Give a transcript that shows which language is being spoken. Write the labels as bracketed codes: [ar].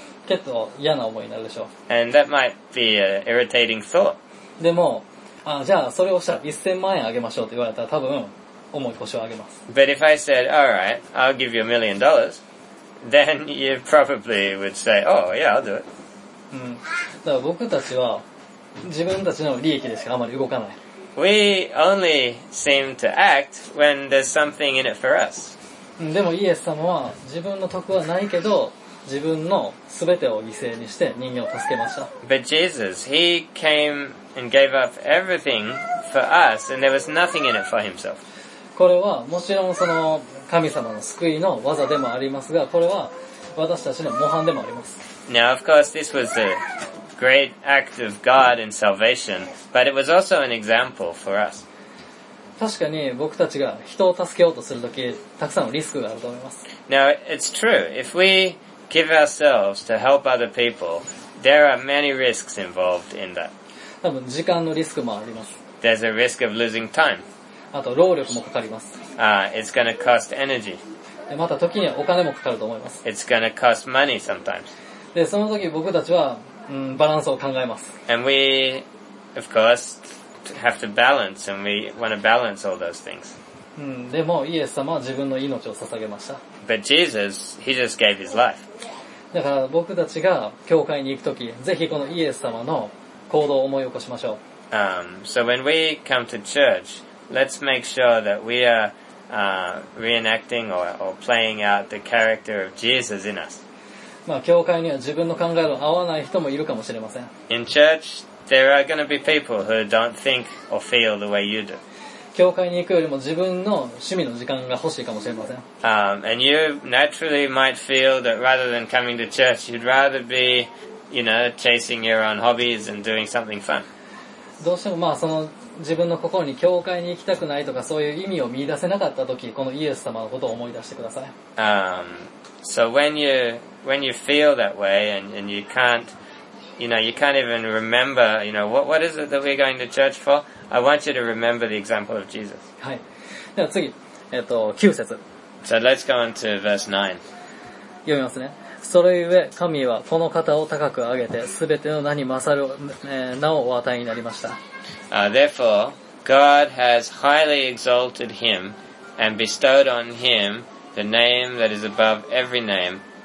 [ja] 結構嫌な思いになるでしょう。 [en] And that might be an irritating thought. [ja] でも、あ、じゃあそれをしたら1000万円あげましょうと言われたら多分重い腰をあげます。 [en] But if I said, alright, I'll give you $1 million, then you probably would say, oh yeah, I'll do it. [ja] だから僕たちは自分たちの利益でしかあまり動かない。 [en] We only seem to act when there's something in it for us. [ja] でもイエス様は自分の得はないけど自分のすべてを犠牲にして人間を助けました。 [en] But Jesus, he came and gave up everything for us and there was nothing in it for himself. [ja] これはもちろんその神様の救いの技でもありますが、これは私たちの模範でもあります。 [en] Now of course this was theGreat act of God in salvation, but it was also an example for us. [ja] 確かに僕たちが人を助けようとするとき、たくさんのリスクがあると思います。 [en] Now, it's true. If we give ourselves to help other people, there are many risks involved in that. [ja] 多分時間のリスクもあります。 [en] There's a risk of losing time. [ja] あと労力もかかります。 [en] It's gonna cost energy. [ja] で、また時にはお金もかかると思います。 [en] It's gonna cost money sometimes. [ja] で、そのとき僕たちはバランスを考えます。 [en] And we, of course, have to balance, and we want to balance all those things. [ja] でも、イエス様は自分の命を捧げました。 [en] But Jesus, he just gave his life. [ja] だから僕たちが教会に行くとき、ぜひこのイエス様の行動を思い起こしましょう。 [en] So when we come to church, let's make sure that we are, reenacting or playing out the character of Jesus in us. [ja] まあ、教会には自分の考えと合わない人もいるかもしれません。 [en] In church, there are going to be people who don't think or feel the way you do. [ja] 教会に行くよりも自分の趣味の時間が欲しいかもしれません。 [en] And you naturally might feel that rather than coming to church, you'd rather be, you know, chasing your own hobbies and doing something fun. [ja] どうしてもまあその自分の心に教会に行きたくないとかそういう意味を見出せなかった時、このイエス様のことを思い出してください。 [en] So when you feel that way and you can't, you know, you can't even remember, you know, what is it that we're going to church for? I want you to remember the example of Jesus. [ja] はい。では次、9節。 [en] So let's go on to verse 9. [ja] 読みますね。それゆえ神はこの方を高く上げて、すべての名に勝る、名をお与えになりました。 [en] Therefore, God has highly exalted him and bestowed on him the name that is above every name.